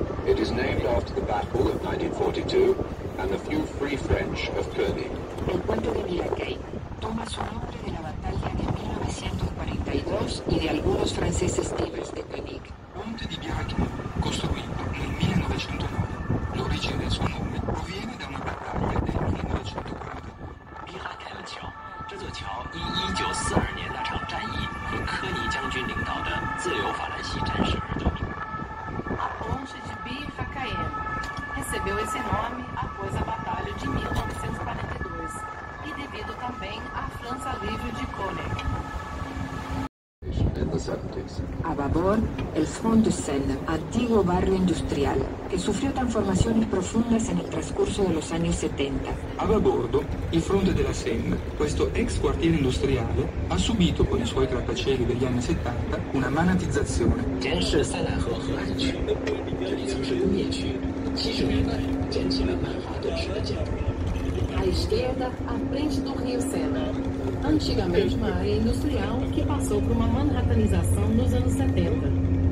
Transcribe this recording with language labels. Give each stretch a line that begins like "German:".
English: It is named after the Battle of 1942 and the few free French of Koenig.
Spanish: El Puente de Bir Hakeim toma su nombre de la batalla de 1942 y de algunos franceses libres de Koenig.
Italian: Ponte di Bir Hakeim, costruito nel 1909. L'origine del suo nome proviene da una battaglia del 1940.
Chinese: Bir Hakeim 这座桥以1942年那场战役和科尼将军领导的自由法兰西战士而得名。
Portuguese: A Ponte de Bir Hakeim recebeu esse nome após a Batalha de 1942 e devido também à França Livre de Koenig.
Spanish: A babor, el front de Seine, antiguo barrio industrial, que sufrió transformaciones profundas en el transcurso de los años 70.
Italian: A babordo, il fronte della Seine, questo ex quartiere industriale, ha subito con i suoi grattacieli degli anni 70 una manatizzazione.
Chinese: Seine河河岸区，这里曾是工业区，70年代建起了曼哈顿式的建筑。
Portuguese: À esquerda, à frente do rio Sena. Antigamente uma área industrial que passou por uma manhattanização nos anos 70.